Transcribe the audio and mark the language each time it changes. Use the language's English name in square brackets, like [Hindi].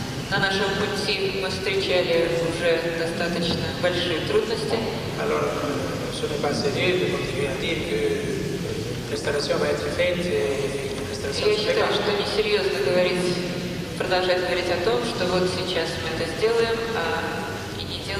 [Russian] На нашем пути мы встречали уже достаточно большие трудности. [French] Ce n'est pas sérieux de continuer à dire que l'installation va être faite et l'installation sera faite. Je pense que c'est [Russian] несерьезно [French] de continuer à dire que nous allons faire ça et ne pas faire rien.